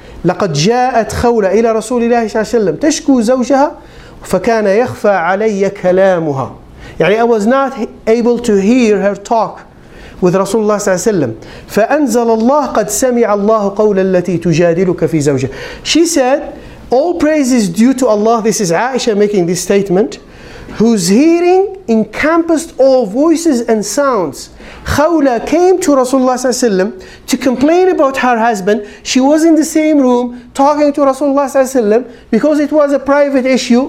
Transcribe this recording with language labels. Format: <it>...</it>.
<ar>لقد جاءت خولة إلى رسول الله صلى الله عليه وسلم تشكو زوجها فكان يخفى علي كلامها.</ar> <en>يعني I was not able to hear her talk with رسول الله صلى الله عليه وسلم.</en> <ar>فأنزل الله قد سمع الله قول التي تجادلك في زوجها.</ar> <en>She said, all praise is due to Allah. This is Aisha making this statement, whose hearing encompassed all voices and sounds. Khawla came to Rasulullah sallallahu alaihi wasallam to complain about her husband. She was in the same room talking to Rasulullah sallallahu alaihi wasallam because it was a private issue.</en>